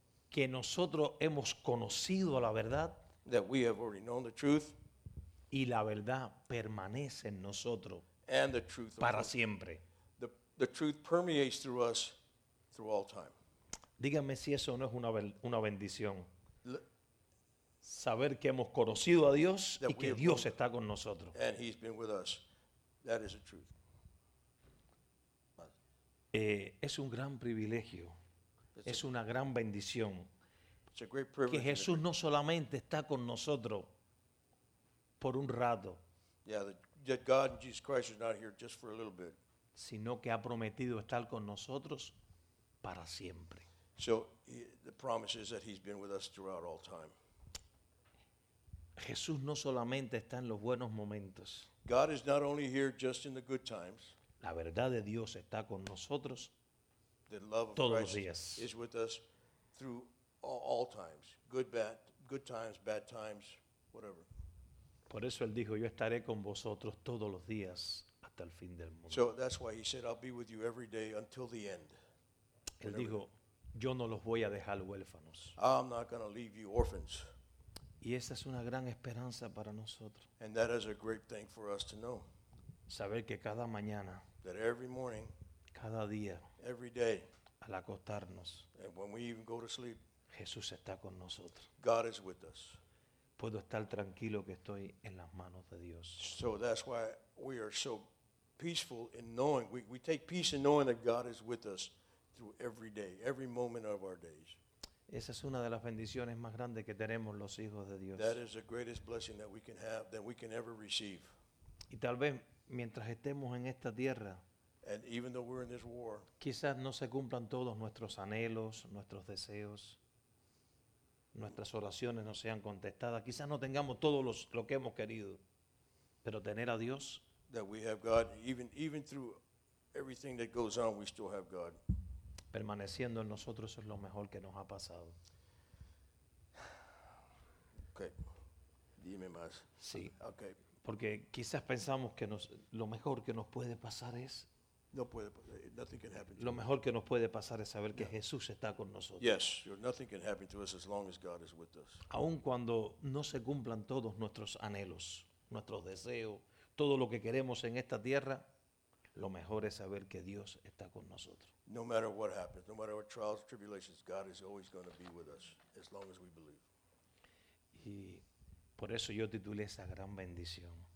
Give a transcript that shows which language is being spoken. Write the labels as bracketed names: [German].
[Spanish] que nosotros hemos conocido la verdad, [English] that we have already known the truth, [Spanish] y la verdad permanece en nosotros, [English] and the truth [Spanish] para siempre. [English] The truth permeates through us through all time. [Spanish] Dígame si eso no es una bendición. Saber que hemos conocido a Dios y que Dios está con nosotros. [English] And he's been with us. That is the truth. [Spanish] Es un gran privilegio. Es una gran bendición. [English] It's a great privilege. [Spanish] Que Jesús no solamente está con nosotros por un rato. [English] Yeah, that God and Jesus Christ is not here just for a little bit. [Spanish] Sino que ha prometido estar con nosotros para siempre. [English] So the promise is that he's been with us throughout all time. [Spanish] Jesús no solamente está en los buenos momentos. [English] God is not only here just in the good times. [Spanish] La verdad de Dios está con nosotros todos los días. [English] Is with us through all times. Good times, bad times, whatever. [Spanish] Por eso él dijo, yo estaré con vosotros todos los días hasta el fin del mundo. [English] So that's why he said, I'll be with you every day until the end. [Spanish] Él dijo, yo no los voy a dejar huérfanos. [English] I'm not going to leave you orphans. [Spanish] Y esa es una gran esperanza para nosotros. [English] And that is a great thing for us to know. [Spanish] Saber que cada mañana, [English] that every morning, [Spanish] cada día, [English] every day, [Spanish] al acostarnos, [English] and when we even go to sleep, [Spanish] Jesús está con nosotros. [English] God is with us. [Spanish] Puedo estar tranquilo que estoy en las manos de Dios. [English] So that's why we are so peaceful in knowing, we take peace in knowing that God is with us through every day, every moment of our days. [Spanish] Esa es una de las bendiciones más grandes que tenemos los hijos de Dios. [English] That is the greatest blessing that we can have, that we can ever receive. [Spanish] Y tal vez mientras estemos en esta tierra, [English] and even though we're in this war, [Spanish] quizás no se cumplan todos nuestros anhelos, nuestros deseos, nuestras oraciones no sean contestadas, quizás no tengamos todo lo que hemos querido, pero tener a Dios, [English] that we have God, even through everything that goes on, we still have God. [Spanish] Permaneciendo en nosotros, eso es lo mejor que nos ha pasado. Okay. Dime más. Sí. [English] Okay. [Spanish] Porque quizás pensamos que lo mejor que nos puede pasar es. No puede. [English] Nothing can happen. [Spanish] Lo mejor que nos puede pasar es saber que Jesús está con nosotros. [English] Yes, nothing can happen to us as long as God is with us. [Spanish] Aun cuando no se cumplan todos nuestros anhelos, nuestros deseos, todo lo que queremos en esta tierra, lo mejor es saber que Dios está con nosotros. [English] No matter what happens, no matter what trials or tribulations, God is always going to be with us as long as we believe. [Spanish] Y por eso yo titulé esa gran bendición.